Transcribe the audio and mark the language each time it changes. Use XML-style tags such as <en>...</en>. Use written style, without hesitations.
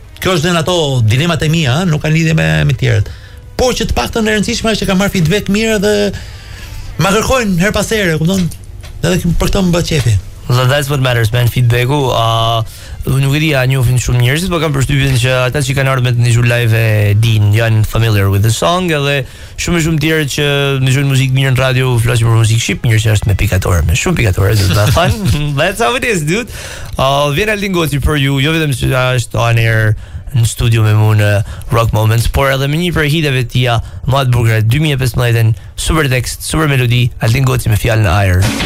<sq>Kjo është në ato dilemat e mia, nuk kanë lidhje me të tjerët. Por që të paktën e rëndësishme është që kam marr feedback mirë dhe ma kërkojnë her pas here, kupton? Edhe për këtë më bëhet çefi.</sq> <en>So that's what matters, man, feedbacku.</en> <sq>Nuk e di, a njofin shumë njerëzit, por kam përshtypjen që ata që kanë ardhur me të ndihur live din, janë</sq> <en>familiar with the song,</en> <sq>edhe shumë tjerë që ndihur muzikë mirë në radio, flasin për muzikë shqip, mirë që është me pikatore, me shumë pikatore, do ta thon.</sq> <en>That's how it is, dude.</en> <sq>Vjen Aldin Goci për ju, jo vetëm që është on air në studio me mua në Rock Moments, por edhe me një prej hitëve të tija më të bukura 2015-ën, super tekst, super melodi, Aldin Goci me fjalën Ajër.</sq>